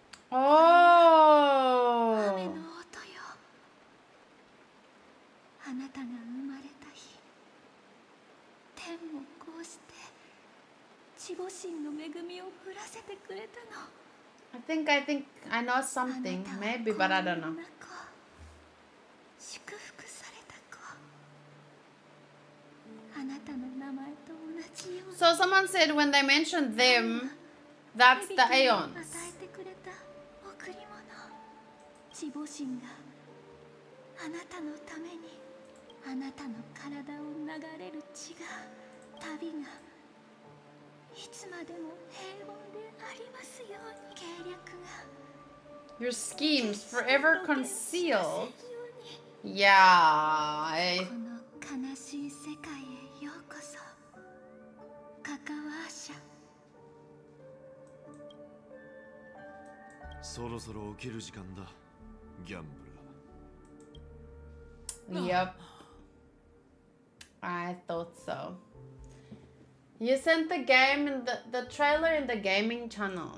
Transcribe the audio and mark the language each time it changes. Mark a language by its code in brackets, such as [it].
[ja] おお、雨の音よ。あなたが生まれた日、天もこうして地母神の恵みを降らせてくれたの。 [en] I think I know something, maybe, but I don't know. [ja] 祝福された子、あなたの名前と同じように。 [en] So someone said when they mentioned them, that's the Aeons. [ja] 与えてくれた贈り物、地母神があなたのために、あなたの体を流れる血が、旅がいつまでも平穏でありますように。計略が、 [en] Your schemes forever concealed. Yeah, I... [ja] この悲しい世界へようこそ、カカワーシャ。そろそろ起きる時間だ、ギャンブラー。 [en] Yep, I thought soYou sent the game and the trailer in the gaming channel.